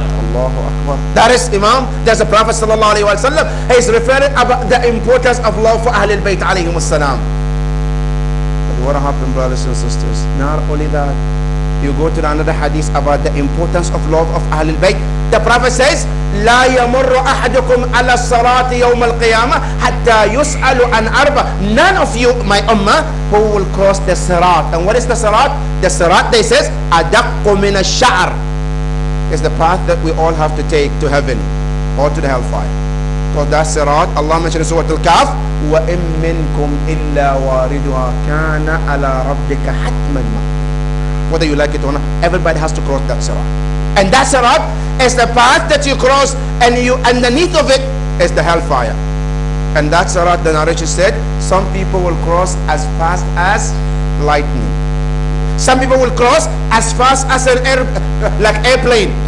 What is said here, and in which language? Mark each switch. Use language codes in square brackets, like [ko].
[en] Allahu Akbar. That is Imam, there's a Prophet sallallahu alayhi wa sallam. He's referring about the importance of love for Ahlul Bayt alayhim as-salam. What happened, brothers and sisters? Not only that, you go to another hadith about the importance of love of Ahlul Bayt. The Prophet says, [ar] لا يمر أحدكم على الصلاة يوم القيامة حتى يسأل عن أربع. [en] None of you, my ummah, who will cross the sirat. And what is the sirat? The sirat, they says, [ar] أدق من الشعر. [en] It's the path that we all have to take to heaven or to the hellfire. So that sirat, Allah mentioned in Surah Al-Kahf, [ar] وَإِن مِّنْكُمْ إِلَّا وَارِدُهَا كَانَ عَلَىٰ رَبِّكَ حَتْمًا مَّقْضِيًّا. [en] Whether you like it or not, everybody has to cross that sirat. And that sirat is the path that you cross, and you underneath of it is the hellfire. And that sirat, the narration said, some people will cross as fast as lightning. Some people will cross as fast as an airplane.